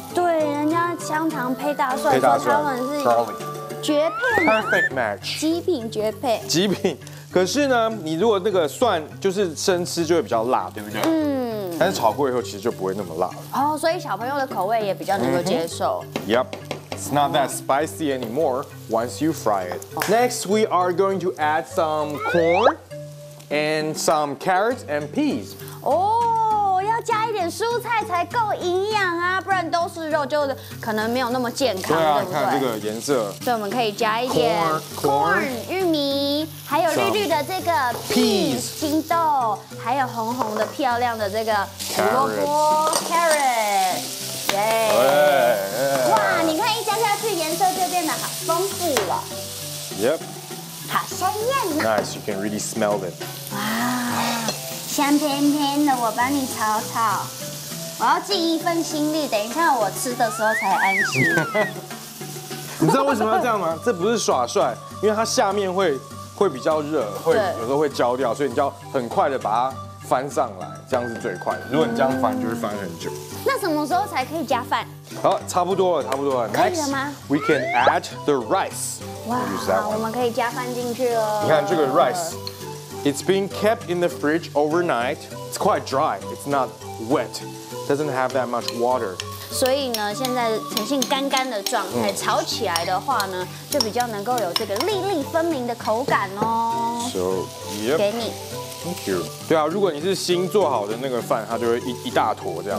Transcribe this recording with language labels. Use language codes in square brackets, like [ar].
[zh] 对，人家香肠配大蒜，配大蒜，他们是绝配。 [en] Perfect match。 [zh] 极品绝配。极品。可是呢，你如果那个蒜就是生吃，就会比较辣，对不对？嗯。但是炒过以后其实就不会那么辣哦，所以小朋友的口味也比较能够接受。 [en] Yep, it's not that spicy anymore once you fry it. Next, we are going to add some corn and some carrots and peas. [zh] 哦，要加一点蔬菜才够营养啊，不然都是肉就可能没有那么健康。对啊，看这个颜色。所以我们可以加一点 [en] corn [zh] 玉米。还有绿绿的这个 [en] peas [zh] 金豆，还有红红的漂亮的这个胡萝卜 carrot， 耶！哇，你看一加下去，颜色就变得好丰富了。 [en] Yep， [zh] 好香艳 [en] 呐。Nice， you can really smell it。 [zh] 哇，香喷喷的，我帮你炒炒。我要尽一份心力，等一下我吃的时候才安心。你知道为什么要这样吗？这不是耍帅，因为它下面会。会比较热，会有时候会焦掉，所以你就要很快的把它翻上来，这样是最快的。如果你这样翻，就会翻很久。那什么时候才可以加饭？好，差不多了，差不多了。可以了吗 [en] ？We can add the rice. [zh] 哇，我们可以加饭进去了。你看这个 [en] rice， it's been kept in the fridge overnight. It's quite dry. It's not wet. Doesn't have that much water. [zh] 所以呢，现在呈现干干的状态，炒起来的话呢，就比较能够有这个粒粒分明的口感哦。 [en] So, yep. [zh] 给你 [en] ，Thank you。 [zh] 对啊，如果你是新做好的那个饭，它就会一大坨这样。